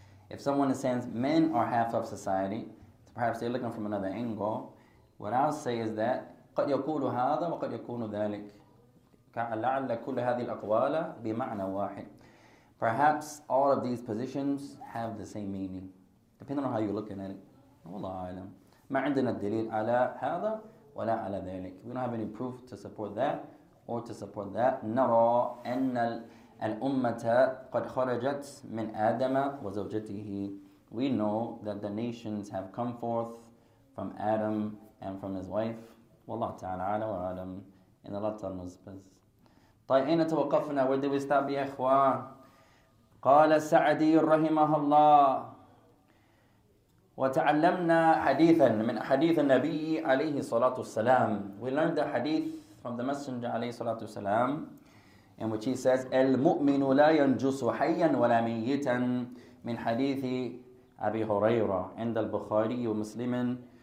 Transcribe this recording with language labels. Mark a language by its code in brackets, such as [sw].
[en] If someone is saying men are half of society perhaps they're looking from another angle What I'll say is that [ar] قد يقول هذا وقد يكون ذلك لعل كل هذه الأقوال بمعنى واحد. [en] Perhaps all of these positions have the same meaning. Depending on how you're looking at it. [ar] والله أعلم. ما عندنا الدليل على هذا ولا على ذلك. [en] We don't have any proof to support that or to support that. [ar] نرى أن الأمة قد خرجت من آدم وزوجته. [en] We know that the nations have come forth from Adam and from his wife. [ar] والله تعالى على وعلم. إن الله تعالى نزبز. طيب أين توقفنا؟ [en] Where did we stop [ar] يا إخوان؟ قال السعدي رحمه الله وتعلمنا حديثا من حديث النبي عليه الصلاة والسلام [en] We learned the hadith from the messenger [ar] عليه الصلاة والسلام in which he says المؤمن لا ينجس حيا ولا ميتا من حديث أبي هريرة عند البخاري ومسلم